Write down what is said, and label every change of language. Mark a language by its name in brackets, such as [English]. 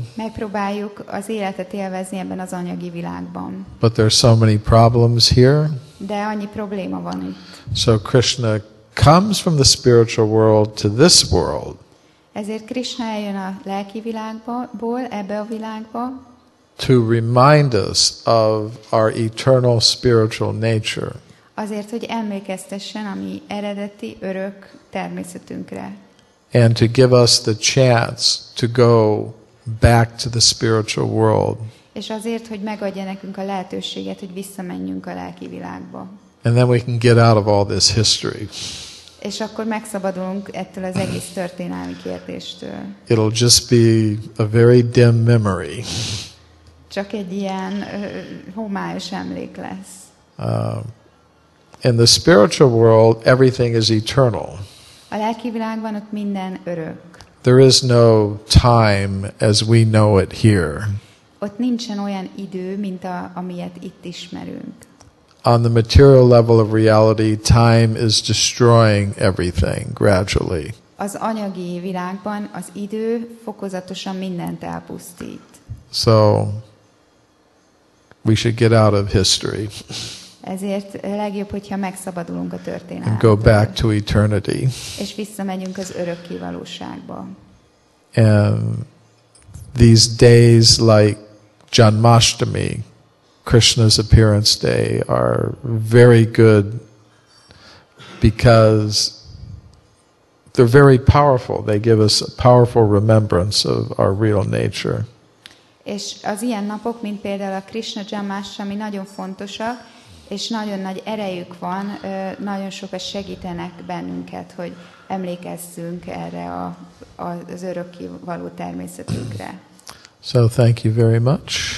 [Hungarian] Megpróbáljuk az életet élvezni ebben az anyagi világban. [English] But there are so many problems here. [Hungarian] De annyi probléma van itt. [English] So Krishna comes from the spiritual world to this world. [Hungarian] Ezért Krishna eljön a lelki világból, ebbe a világba. [English] To remind us of our eternal spiritual nature. [Hungarian] Azért, hogy emlékeztessen a mi eredeti, örök természetünkre. [English] And to give us the chance to go back to the spiritual world. [Hungarian] És azért, hogy megadja nekünk a lehetőséget, hogy visszamenjünk a lelki világba. [English] And then we can get out of all this history. [Hungarian] És akkor megszabadulunk ettől az egész történelmi kérdéstől. [English] It'll just be a very dim memory. [Hungarian] Csak egy ilyen homályos emlék lesz. [English] In the spiritual world, everything is eternal. [Hungarian] A lelki világban ott minden örök. [English] There is no time as we know it here. [Hungarian] Ott nincsen olyan idő, mint amilyet itt ismerünk. [English] On the material level of reality, time is destroying everything gradually. [Hungarian] Az anyagi világban az idő fokozatosan mindent elpusztít. [English] So, we should get out of history. [Hungarian] Ezért legjobb, hogyha megszabadulunk a történelmetől. [English] And go back to eternity. [Hungarian] És visszamegyünk az örökké valóságba. [English] And these days like Janmashtami, Krishna's appearance day, are very good because they're very powerful. They give us a powerful remembrance of our real nature. [Hungarian] És az ilyen napok, mint például a Krishna Janmashtami, nagyon fontosak, és nagyon nagy erejük van, nagyon sokat segítenek bennünket, hogy emlékezzünk erre az örökké való természetünkre. [English] So thank you very much.